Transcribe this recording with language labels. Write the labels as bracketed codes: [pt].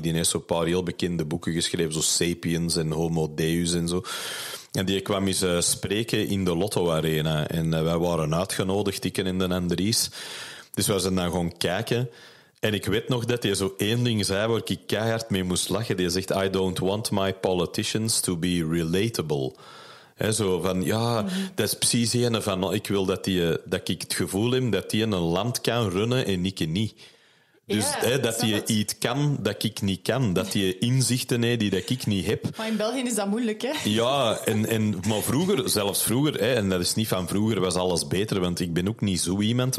[nl] Die heeft zo'n paar heel bekende boeken geschreven, zoals Sapiens en Homo Deus en zo. En die kwam eens spreken in de Lotto Arena. En wij waren uitgenodigd, ik en de Andries. Dus we zijn dan gewoon kijken. En ik weet nog dat hij zo één ding zei waar ik keihard mee moest lachen. Die zegt, [en] I don't want my politicians to be relatable. [nl] He, zo van, ja, dat is precies ene van, ik wil dat, dat ik het gevoel heb dat hij een land kan runnen en ik niet. Dus ja, he, dat hij iets kan dat ik niet kan. Dat hij inzichten heeft die dat ik niet heb. Maar in België is dat moeilijk, hè? Ja, en, maar vroeger, zelfs vroeger, he, en dat is niet van vroeger, was alles beter, want ik ben ook niet zo iemand.